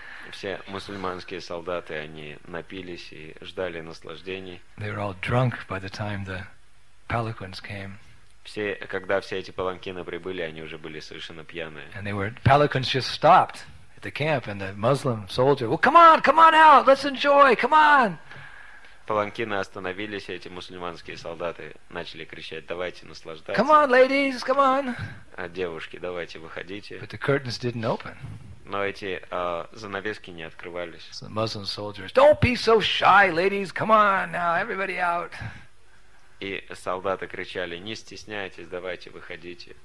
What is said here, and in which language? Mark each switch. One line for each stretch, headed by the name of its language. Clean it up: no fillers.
Russian: Все мусульманские солдаты, они напились и ждали наслаждений.
English: They were all drunk by the time the palanquins came.
Russian: Все, когда все эти паланкины прибыли, они уже были совершенно пьяные.
English: And they were palanquins just stopped at the camp, and the Muslim soldier, well, come on, come on out, let's enjoy, come on.
Russian: Паланкины остановились, эти мусульманские солдаты начали кричать: давайте наслаждаться.
English: Come on, ladies, come on.
Russian: А девушки, давайте выходите.
English: But the curtains didn't open.
Russian: Но эти занавески не открывались.
English: So Muslim soldiers, don't be so shy, ladies, come on now, everybody out.
Russian: И солдаты кричали: не стесняйтесь, давайте выходите.